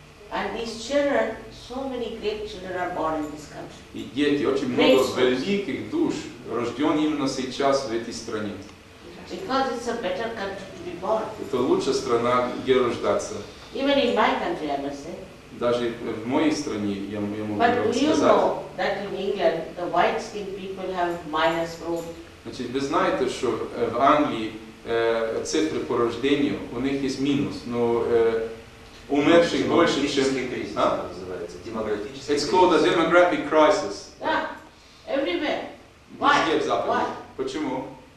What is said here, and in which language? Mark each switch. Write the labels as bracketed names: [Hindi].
[English] And these children, so many great children are born in this country. [Russian] И дети, очень много великих душ, рожден именно сейчас в этой стране. [English] Because it's a better country. [Russian] Это лучшая страна, где рождаться. [English] Even in my country, I must say. [Russian] Даже в моей стране я могу сказать. [English] But do you know that in England the white-skinned people have minus growth? [Russian] Значит, вы знаете, что в Англии цифры по рождению у них есть минус, но умерших больше, чем. Демографический кризис называется. Демографический. [English] It's called a demographic crisis. Yeah, everywhere. Why? Why? [Russian] Почему?